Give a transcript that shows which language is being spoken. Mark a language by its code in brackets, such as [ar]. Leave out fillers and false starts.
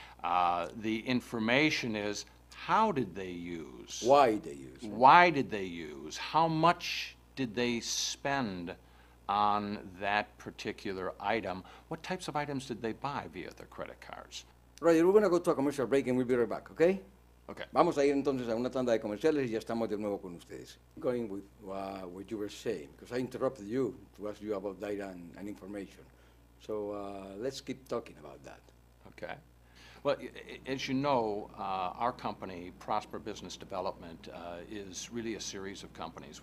[en] The information is, how did they use? Why did they use? Why did they use? How much did they spend on that particular item? What types of items did they buy via their credit cards? Roger, we're going to go to a commercial break and we'll be right back, okay? Okay. [es] Vamos a ir entonces a una tanda de comerciales y ya estamos de nuevo con ustedes. [en] Going with what you were saying, because I interrupted you to ask you about data and information. So let's keep talking about that. Okay. Well, as you know, our company, Prosper Business Development, is really a series of companies.